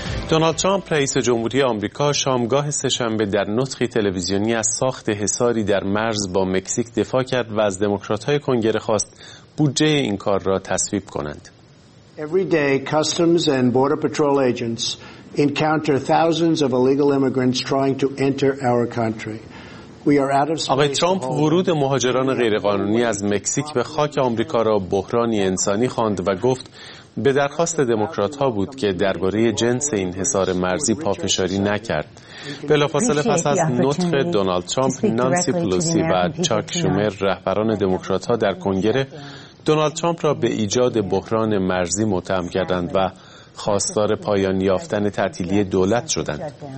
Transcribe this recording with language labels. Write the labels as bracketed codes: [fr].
[fa] دونالد ترامپ رئیس جمهوری آمریکا شامگاه سه‌شنبه در نطقی تلویزیونی از ساخت حصاری در مرز با مکزیک دفاع کرد و از دموکرات‌های کنگره خواست بودجه این کار را تصویب کنند. [en] Every day customs and border patrol agents encounter thousands of illegal immigrants trying to enter our country. [fa] آقای ترامپ ورود مهاجران غیرقانونی از مکزیک به خاک آمریکا را بحرانی انسانی خواند و گفت به درخواست دموکرات‌ها بود که درباره جنس این حصار مرزی پافشاری نکرد. بلافاصله پس از نطق دونالد ترامپ، نانسی پلوسی و چاک شومر رهبران دموکرات‌ها در کنگره دونالد ترامپ را به ایجاد بحران مرزی متهم کردند و خواستار پایان یافتن تعطیلی دولت شدند.